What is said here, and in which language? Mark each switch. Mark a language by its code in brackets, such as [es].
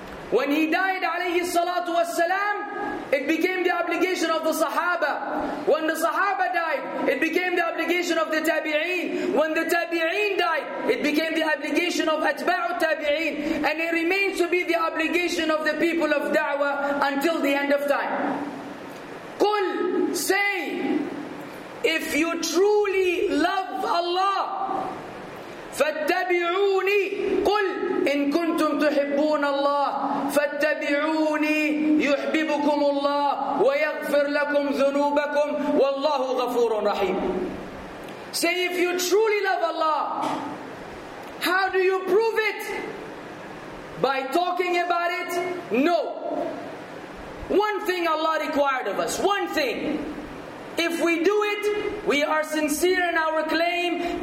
[en] When he died alayhi salatu wasalam, it became the obligation of the Sahaba. When the Sahaba died, it became the obligation of the Tabi'een. When the Tabi'een died, it became the obligation of Atba'u Tabi'een. And it remains to be the obligation of the people of Da'wah until the end of time. [ar] Qul, say, if you truly love Allah, فَاتَّبِعُونِي قُلْ إِن كُنْتُمْ تُحِبُّونَ اللَّهِ فَاتَّبِعُونِي يُحْبِبُكُمُ اللَّهِ وَيَغْفِرْ لَكُمْ ذُنُوبَكُمْ وَاللَّهُ غَفُورٌ رَحِيمٌ. [en] Say, if you truly love Allah, how do you prove it? By talking about it? No. One thing Allah required of us, one thing. If we do it, we are sincere in our claim.